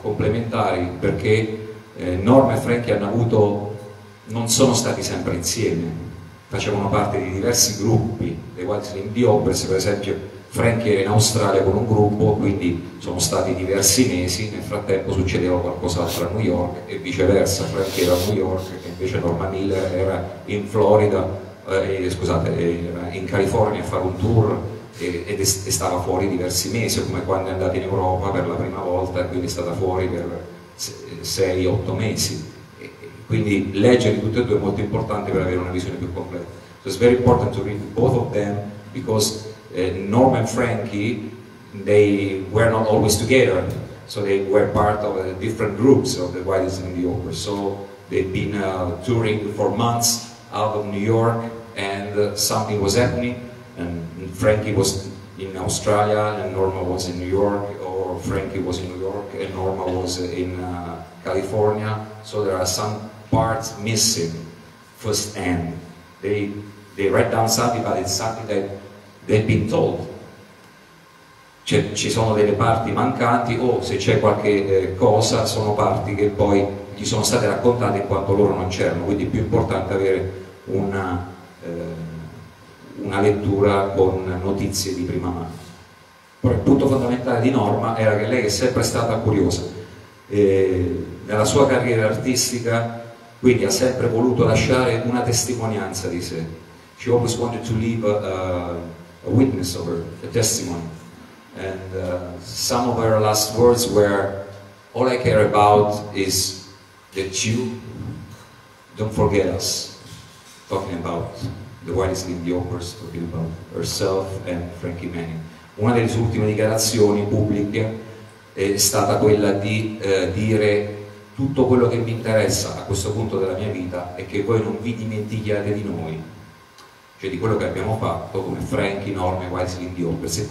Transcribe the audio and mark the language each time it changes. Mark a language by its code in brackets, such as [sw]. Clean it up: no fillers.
[it] complementari, perché Norma e Frankie hanno avuto, non sono stati sempre insieme, facevano parte di diversi gruppi, dei Whitesnake di Opus, per esempio Frankie era in Australia con un gruppo, quindi sono stati diversi mesi, nel frattempo succedeva qualcos'altro a New York e viceversa, Frankie era a New York e invece Norma Miller era in Florida, scusate, era in California a fare un tour e stava fuori diversi mesi, come quando è andata in Europa per la prima volta, quindi è stata fuori per 6-8 mesi. Quindi leggere tutti e due è molto importante per avere una visione più completa. [en] So it's very important to read both of them because Norm and Frankie, they were not always together, so they were part of different groups of the Whitesnake and the Opeth. So they've been touring for months out of New York, and something was happening, and Frankie was in Australia and Norma was in New York, or Frankie was in New York and Norma was in California. So there are some parts missing first end. They write down something, but it's something that they've been told. [it] Cioè, ci sono delle parti mancanti, o se c'è qualche cosa, sono parti che poi gli sono state raccontate in quanto loro non c'erano. Quindi è più importante avere una lettura con notizie di prima mano. Però il punto fondamentale di Norma era che lei è sempre stata curiosa. Nella sua carriera artistica, quindi, ha sempre voluto lasciare una testimonianza di sé. [en] She always wanted to leave a witness of her, a testimony. And some of her last words were, all I care about is that you don't forget us. Talking about the Whitesnake, the Opeth, talking about herself and Frankie Manning. [it] Una delle sue ultime dichiarazioni pubbliche è stata quella di dire: tutto quello che mi interessa a questo punto della mia vita è che voi non vi dimentichiate di noi, cioè di quello che abbiamo fatto come Frankie, Norma, Whitesnake, the Opeth.